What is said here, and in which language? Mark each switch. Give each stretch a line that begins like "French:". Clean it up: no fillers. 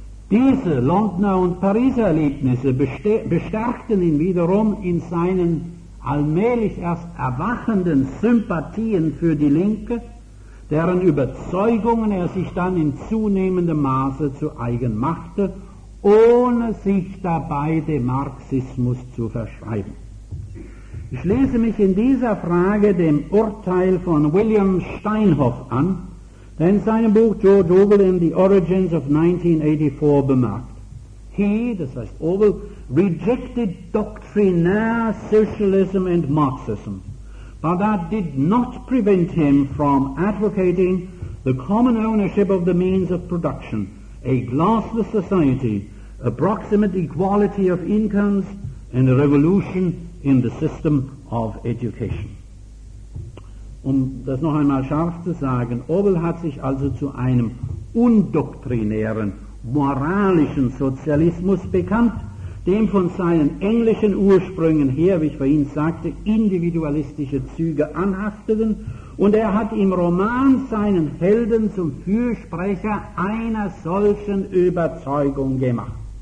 German: Diese Londoner und Pariser Erlebnisse bestärkten ihn wiederum in seinen allmählich erst erwachenden Sympathien für die Linke, deren Überzeugungen er sich dann in zunehmendem Maße zu eigen machte, ohne sich dabei dem Marxismus zu verschreiben. Ich schließe mich in dieser Frage dem Urteil von William Steinhoff an, der in seinem Buch George Orwell in The Origins of 1984 bemerkt.
English: He,
German: das heißt
English: Orwell, rejected doctrinaire socialism and Marxism, but that did not prevent him from advocating the common ownership of the means of production, a glassless society, approximate equality of incomes, and a revolution in the system of education.
German: Um das noch einmal scharf zu sagen, Orwell hat sich also zu einem undoktrinären, moralischen Sozialismus bekannt, dem von seinen englischen Ursprüngen her, wie ich vorhin sagte, individualistische Züge anhafteten, und er hat im Roman seinen Helden zum Fürsprecher einer solchen Überzeugung gemacht.